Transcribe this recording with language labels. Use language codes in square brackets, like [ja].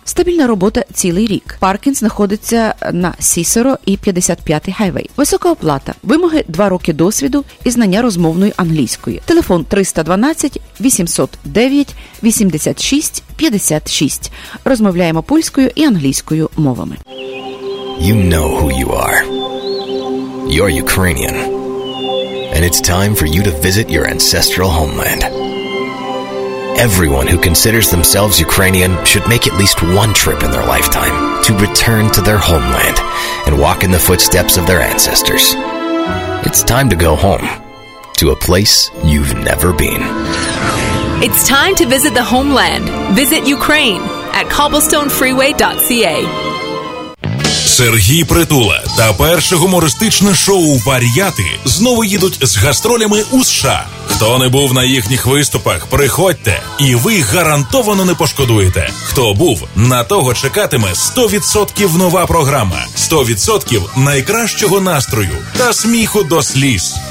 [uk] Стабільна робота цілий рік. Паркінг знаходиться на Сісеро і 55-й хайвей. Висока оплата. Вимоги – 2 роки досвіду і знання розмовної англійської. Телефон 312-809-86-56. Розмовляємо польською і англійською мовами. [en] You know who you are. You're Ukrainian. And it's time for you to visit your ancestral homeland. Everyone who considers themselves Ukrainian should make at least one trip in their lifetime to return to their homeland and walk in the footsteps of their ancestors. It's time to go home, to a place you've never been. It's time to visit the homeland. Visit Ukraine at cobblestonefreeway.ca. [uk] Сергій Притула та перше гумористичне шоу «Вар'яти» знову їдуть з гастролями у США. Хто не був на їхніх виступах, приходьте, і ви гарантовано не пошкодуєте. Хто був, на того чекатиме 100% нова програма, 100% найкращого настрою та сміху до сліз.